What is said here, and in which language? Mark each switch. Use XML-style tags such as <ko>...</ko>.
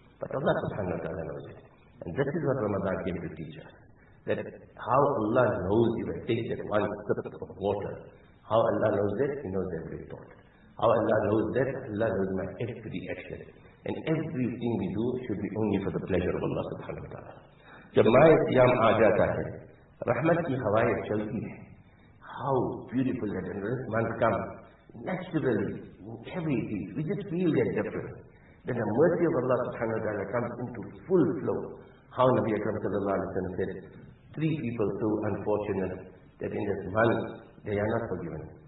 <en>But Allah subhanahu wa ta'ala knows it. And this is what Ramadan came to teach us. That how Allah knows if I take that one sip of water. How Allah knows that? He knows every thought. How Allah knows that? Allah knows my every action. And everything we do should be only for the pleasure of Allah subhanahu wa ta'ala.</en> <ur>جب مائے سیام آ جاتا ہے, رحمت کی ہوائیں چلتی ہیں.</ur> <en>How beautiful that this month comes. Naturally, whatever it is, we just feel that difference. Then the mercy of Allah subhanahu wa ta'ala comes into full flow. How Nabi Akram sallallahu alayhi wa sallam said, three people so unfortunate that in this month they are not forgiven.</en>